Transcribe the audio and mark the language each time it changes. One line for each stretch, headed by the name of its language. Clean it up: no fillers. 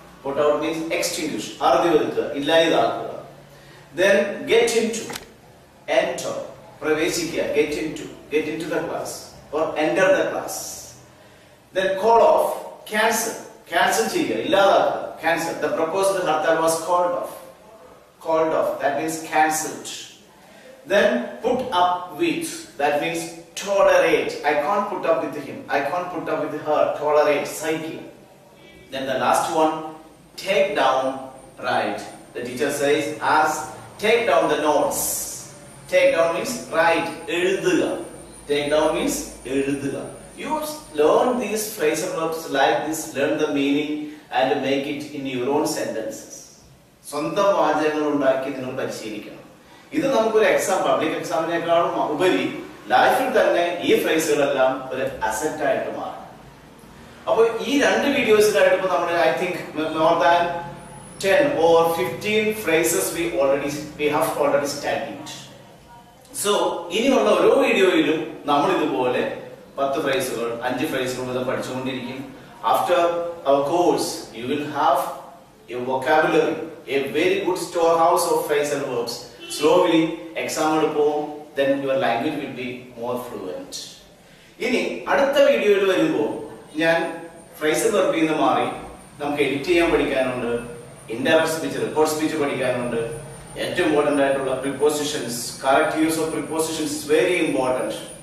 English: put out means extinguish,
Malayalam: അറുതി വരുത്തുക, ഇല്ലാതാക്കുക.
English: then get into, enter,
Malayalam: പ്രവേശിക്കുക.
English: Get into, get into the class or enter the class. Then call off, cancel, cancel
Malayalam: ചെയ്യുക, ഇല്ലാതാക്കുക.
English: Cancelled. The proposed hartal was called off. Called off. That means cancelled. Then put up with. That means tolerate. I can't put up with him. I can't put up with her. Tolerate. Psyche. Then the last one. Take down. Write. The teacher says, ask, take down the notes. Take down means write.
Malayalam: Eludhuka.
English: Take down means eludhuka. You learn these phrasal verbs like this. Learn the meaning. And make it in your own sentences.
Malayalam: സ്വന്തം വാചകങ്ങൾ ഉണ്ടാക്കി നിങ്ങൾ പരിശീലിക്കണം. ഇത് നമുക്കൊരു exam, public എക്സാമിനേക്കാളും ഉപരി ലൈഫിൽ തന്നെ ഈ ഫ്രേസുകളെല്ലാം ഒരു അസറ്റ് ആയിട്ട് മാറും. അപ്പോൾ ഈ രണ്ട് വീഡിയോസിലായിട്ടിപ്പോൾ നമ്മുടെ
English: I think more than 10 or 15 phrases we have already studied.
Malayalam: So ഇനിയുള്ള ഓരോ വീഡിയോയിലും നമ്മൾ ഇതുപോലെ 10 ഫ്രേസുകൾ, 5 ഫ്രേസുകൾ ഇത് പഠിച്ചുകൊണ്ടിരിക്കും.
English: After our course, you will have your vocabulary, a very good storehouse of phrasal verbs. Slowly, exam will go, then your language will be more fluent.
Malayalam: ഇനി അടുത്ത വീഡിയോയിൽ വരുമ്പോൾ ഞാൻ ഫ്രേസൽ വെർബിൽ നിന്ന് മാറി നമുക്ക് എഡിറ്റ് ചെയ്യാൻ പഠിക്കാനുണ്ട്, ഇൻഡയറക്ട് സ്പീച്ച്, റെക്കോർഡ് സ്പീച്ച് പഠിക്കാനുണ്ട്.
English: ഏറ്റവും ഇമ്പോർട്ടൻ്റ് ആയിട്ടുള്ള prepositions, correct use of prepositions very important.